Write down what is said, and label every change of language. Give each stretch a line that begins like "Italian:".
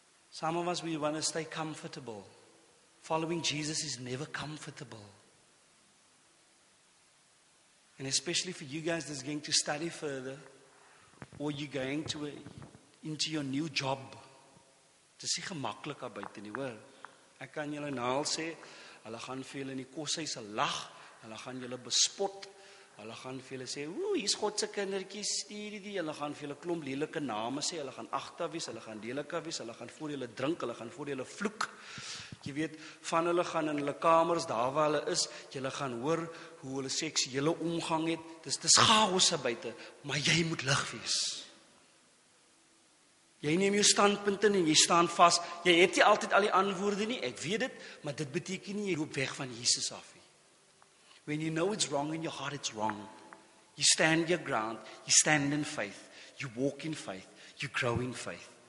English: Some of us, we want to stay comfortable. Following Jesus is never comfortable. And especially for you guys that's going to study further, or you're going to into your new job.
Afrikaans: Dis nie gemaklik daar buite nie, hoor. Ek kan julle nou al sê, hulle gaan vir julle in die koshuise lag, hulle gaan julle bespot, hulle gaan vir julle sê, ooh, hier's God se kindertjies, hierdie, hulle gaan vir julle klomp lelike name sê, hulle gaan agtawies, hulle gaan delikawies, hulle gaan voor julle drink, hulle gaan voor julle vloek. Jy weet, van hulle gaan in hulle kamers, daar waar hulle is, julle gaan hoor hoe hulle seksuele omgang het. Dis chaos daar buite, maar jy moet lig wees. Jy neem jou standpunt in en jy staan vas. Jy het nie altyd al die antwoorde nie, ek weet dit, maar dit beteken nie jy loop weg van Jesus af nie.
English: When you know it's wrong in your heart, it's wrong. You stand your ground, you stand in faith, you walk in faith, you grow in faith.